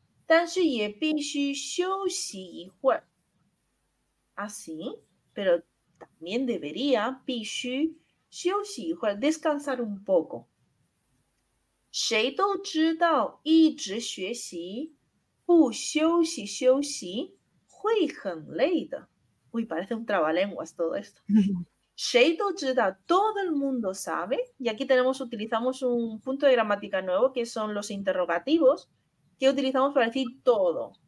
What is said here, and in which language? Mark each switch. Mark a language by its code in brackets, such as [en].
[zh] 但是也必须休息一会儿。 [es] Así, pero también debería, [zh] 必须休息一会儿， [es] descansar un poco。 [zh] 谁都知道，一直学习，不休息休息会很累的。 [es] Uy, parece un trabalenguas todo esto. [zh] 谁都知道， [es] todo el mundo sabe。 Y aquí tenemos, utilizamos un punto de gramática nuevo que son los interrogativos que utilizamos para decir todo.